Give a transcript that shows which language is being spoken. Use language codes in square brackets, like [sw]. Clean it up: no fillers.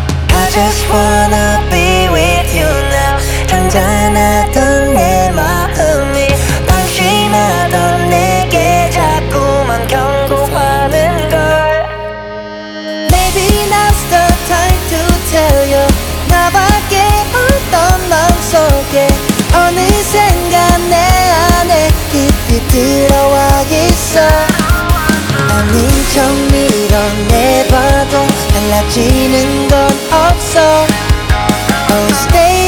[en] I just wanna be with you now. [ko] 잔잔하던 내 마음이 방심하던 내게 자꾸만 경고하는 걸. [en] Maybe now's the time to tell you. [ko] 나밖에 없던 마음속에 어느샌가 내 안에 깊이 들어와 있어. 아닌 척 밀어내봐도 달라지는 건 없어. [en] Oh, stay.